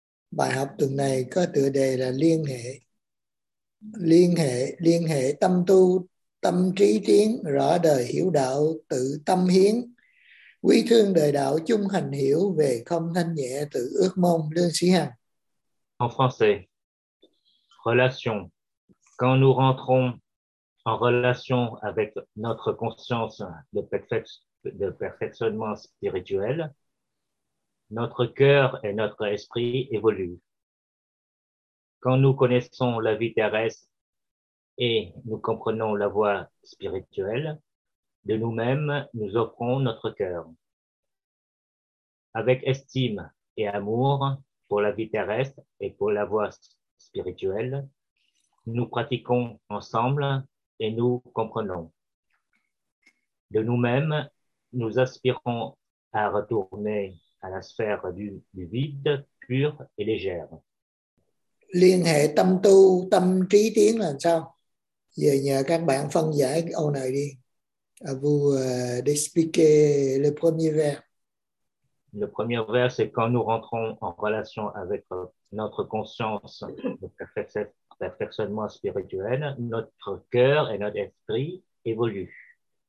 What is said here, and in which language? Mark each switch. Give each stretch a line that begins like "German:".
Vietnamese: Bài học tuần này có tựa đề là liên hệ. Liên hệ tâm tu, tâm trí tiến, rõ đời hiểu đạo, tự tâm hiến, quý thương đời đạo, chung hành hiểu về không thanh nhẹ, tự ước mong. Lương Sĩ Hằng.
French: En français, relation. Quand nous rentrons en relation avec notre conscience de perfectionnement spirituel, notre cœur et notre esprit évoluent. Quand nous connaissons la vie terrestre et nous comprenons la voie spirituelle, de nous-mêmes, nous offrons notre cœur. Avec estime et amour, pour la vie terrestre et pour la voie spirituelle, nous pratiquons ensemble et nous comprenons. De nous-mêmes, nous aspirons à retourner à la sphère du vide pur et légère.
Vietnamese: Liên hệ tâm tu, tâm trí tiến là sao? Giờ nhờ các bạn phân giải câu này đi.
French: Vous expliquez le premier vers. Le premier vers, c'est quand nous rentrons en relation avec notre conscience de perfectionnement spirituel, notre cœur et notre esprit évoluent.